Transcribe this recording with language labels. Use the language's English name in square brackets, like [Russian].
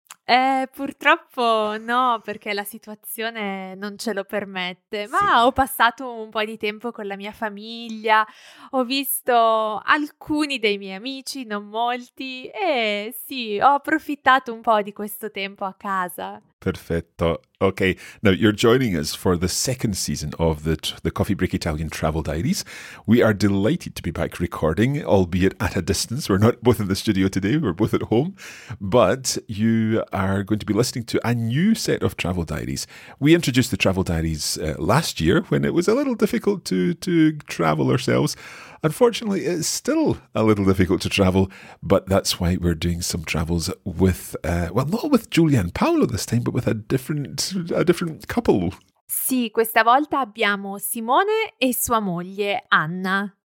[Italian] Purtroppo no, perché la situazione non ce lo permette, ma sì. Ho passato un po' di tempo con la mia famiglia, ho visto alcuni dei miei amici, non molti, e sì, ho approfittato un po' di questo tempo a casa. Perfetto. [English] Okay, now you're joining us for the second season of the Coffee Break Italian Travel Diaries. We are delighted to be back recording, albeit at a distance. We're not both in the studio today, we're both at home. But you are going to be listening to a new set of travel diaries. We introduced the travel diaries last year when it was a little difficult to travel ourselves. Unfortunately, it's still a little difficult to travel, but that's why we're doing some travels with, well, not with Giulia and Paolo this time, but with a different couple. [Italian] Sì, questa volta abbiamo Simone e sua moglie, Anna.